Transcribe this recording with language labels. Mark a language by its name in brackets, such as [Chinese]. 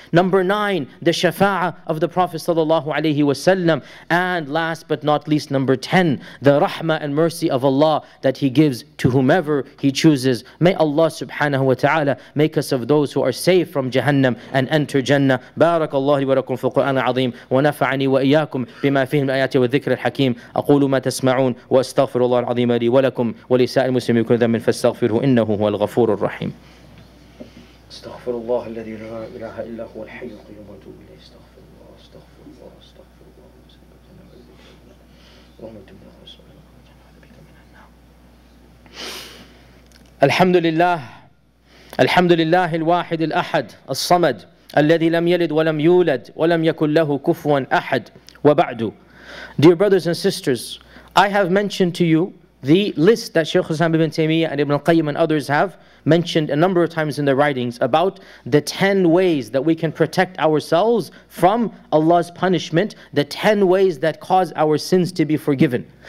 [English] Number 9, the shafa'ah of the Prophet sallallahu alayhi wasallam. And last but not least, number 10, the rahmah and mercy of Allah that He gives to whomever He chooses. May Allah subhanahu wa ta'ala make us of those who are saved from Jahannam and enter Jannah. [Arabic] Barakallahu li wa lakum fi al-Qur'an al-Azim wa nafa'ani wa iyyakum bima fihi al-ayati wa dhikr al-hakim. Aqulu ma tasma'un wa استغفر الله العظيم لي ولكم ولسائر المسلمين كل ذنب فاستغفره انه هو الغفور الرحيم استغفر الله الذي لا اله الا هو الحي القيوم واتوب اليه استغفر الله استغفر الله استغفر الله اللهم صل على محمد وعلى اله وصحبه الحمد لله الحمد لله الواحد الاحد الصمد الذي لم يلد ولم يولد ولم يكن له كفوا احد وبعد [English] Dear brothers and sisters, I have mentioned to you the list that Shaykh Islam ibn Taymiyyah and Ibn al-Qayyim and others have mentioned a number of times in their writings about the 10 ways that we can protect ourselves from Allah's punishment, the 10 ways that cause our sins to be forgiven.